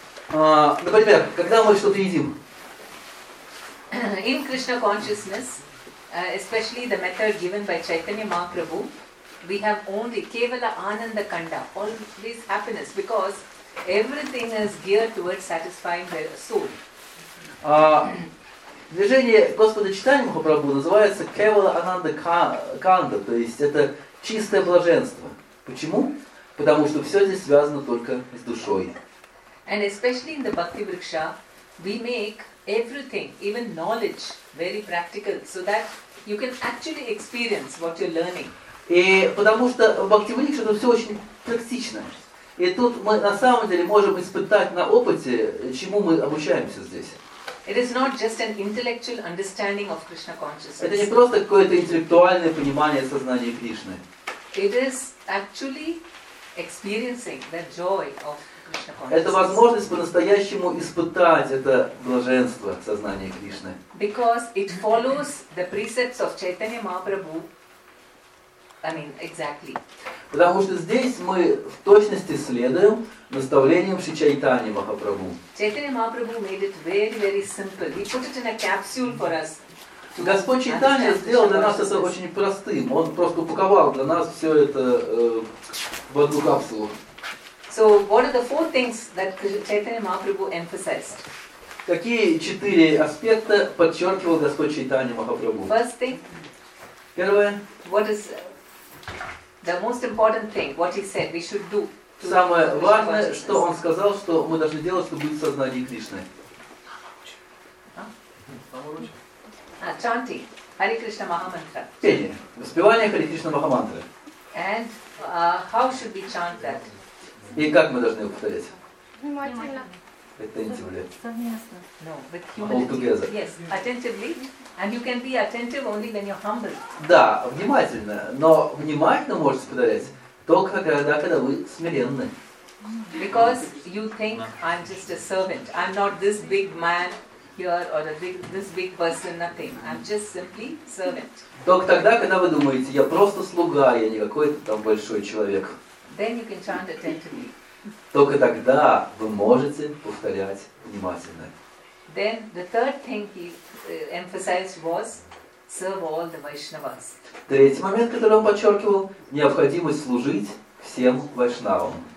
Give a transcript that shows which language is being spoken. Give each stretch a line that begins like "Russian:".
Russian: Например, когда мы что-то едим?
English: In Krishna consciousness, especially the method given by Chaitanya Mahaprabhu, we have only kevala ananda kanda, always happiness, because everything is geared towards satisfying the soul.
Russian: Движение Господа Чайтанья Махапрабху называется Кевала Ананда Канда, то есть это чистое блаженство. Почему? Потому что все здесь связано только с душой.
English: And especially in the Bhakti Vriksha, we make everything, even knowledge, very practical, so that you can actually experience what you're learning.
Russian: И потому что в Бхакти Врикше это все очень практично. И тут мы на самом деле можем испытать на опыте, чему мы обучаемся здесь.
English: It is not just an intellectual understanding of Krishna consciousness.
Russian: Это не просто какое-то интеллектуальное понимание сознания Кришны.
English: It is actually experiencing the joy of Krishna consciousness.
Russian: Это возможность по-настоящему испытать это блаженство сознания Кришны.
English: Because it follows the precepts of Chaitanya Mahaprabhu. Exactly.
Russian: Потому что здесь мы в точности следуем наставлениям Шри Чайтаньи Махапрабху.
English: Chaitanya Mahaprabhu made it very, very simple. He put it in a capsule for us.
Russian: Господь Чайтанья сделал для нас это очень простым. Он просто упаковал для нас все это в одну капсулу.
English: So what are the four things that Chaitanya Mahaprabhu emphasized?
Russian: Какие четыре аспекта подчеркивал Господь Чайтанья Махапрабху?
English: First thing.
Russian: Первое.
English: What is the most important thing? What he said we should do.
Russian: Самое важное, что он сказал, что мы должны делать, чтобы быть в сознании Кришны.
English: Chanting. Hare Krishna Mahamantra.
Russian: Пение. Воспевание Hare Krishna Mahamantra.
English: And how should we chant that?
Russian: И как мы должны его повторять? Внимательно.
English: Attentively.
Russian: Совместно.
English: All together. Yes, attentively. And you can be attentive only when you're humble.
Russian: Да, внимательно. Но внимательно можете повторять только когда, когда вы смиренны.
English: Because you think I'm just a servant. I'm not this big man. Here or a big, this big person, nothing. I'm just simply servant.
Russian: Только тогда, когда вы думаете, я просто слуга, я не какой-то там большой человек.
English: Then you can chant attentively.
Russian: Только тогда вы можете повторять внимательно.
English: Then the third thing he emphasized was serve all the Vaishnavas.
Russian: Третий момент, который он подчеркивал, необходимость служить всем вайшнавам.